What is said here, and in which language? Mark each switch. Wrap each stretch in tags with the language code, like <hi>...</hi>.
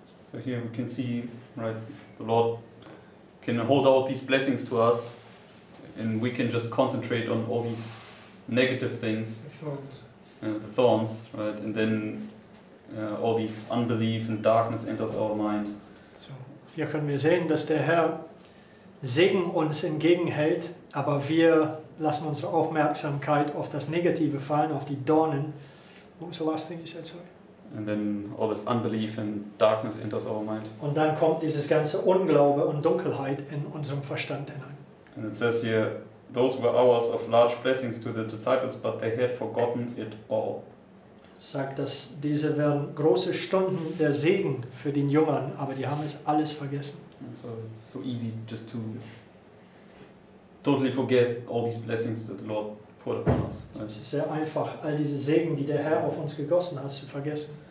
<en>So here we can see, right, the Lord can hold out these blessings to us, and we can just concentrate on all these negative things, the thorns, right? And then all these unbelief and darkness enters our mind.</en> <de>So hier können wir sehen, dass der Herr Segen uns entgegenhält, aber wir lassen unsere Aufmerksamkeit auf das Negative fallen, auf die Dornen.</de> <en>What was the last thing you said? Sorry. And then all this unbelief and darkness enters our mind.</en> <de>Und dann kommt dieses ganze Unglaube und Dunkelheit in unserem Verstand hinein.</de> <en>And it says here, those were hours of large blessings to the disciples, but they had forgotten it all.</en> <de>Sagt, dass diese wären große Stunden der Segen für den Jüngern, aber die haben es alles vergessen.</de> <en>And so it's so easy just to totally forget all these blessings that the Lord.</en> <de>So es ist sehr einfach, all diese Segen, die der Herr auf uns gegossen hat, zu vergessen.</de>